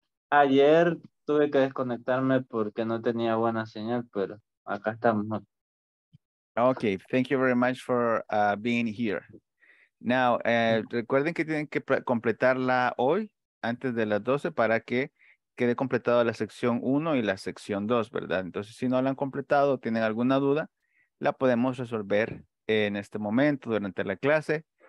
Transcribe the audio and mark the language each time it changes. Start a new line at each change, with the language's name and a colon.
Spanish: Ayer tuve que desconectarme porque no tenía buena señal, pero acá estamos.
English: Okay, thank you very much for being here.
Spanish: Now, recuerden que tienen que completarla hoy, antes de las 12, para que quede completado la sección 1 y la sección 2, ¿verdad? Entonces, si no la han completado, tienen alguna duda, la podemos resolver en este momento, durante la clase.